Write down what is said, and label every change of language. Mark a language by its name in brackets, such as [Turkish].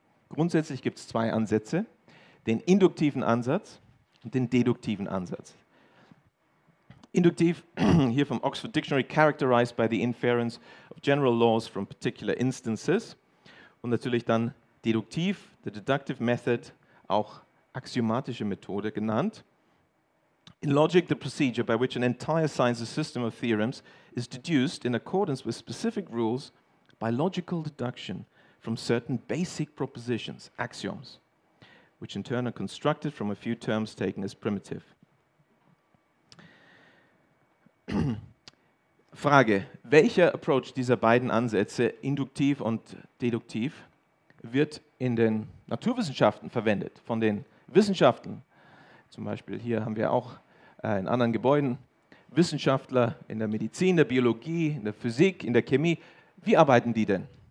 [German] Grundsätzlich gibt es zwei Ansätze, den induktiven Ansatz und den deduktiven Ansatz. Induktiv, hier vom [English] Oxford Dictionary, characterized by the inference of general laws from particular instances. [German] Und natürlich dann deduktiv, [English] the deductive method, [German] auch axiomatische Methode genannt. [English] In logic, the procedure by which an entire science or system of theorems is deduced in accordance with specific rules by logical deduction from certain basic propositions, axioms, which in turn are constructed from a few terms taken as primitive. [German] Frage, welcher Approach dieser beiden Ansätze, induktiv und deduktiv, wird in den Naturwissenschaften verwendet, von den Wissenschaften? Zum Beispiel hier haben wir auch in anderen Gebäuden Wissenschaftler in der Medizin, der Biologie, in der Physik, in der Chemie. Wie arbeiten die denn?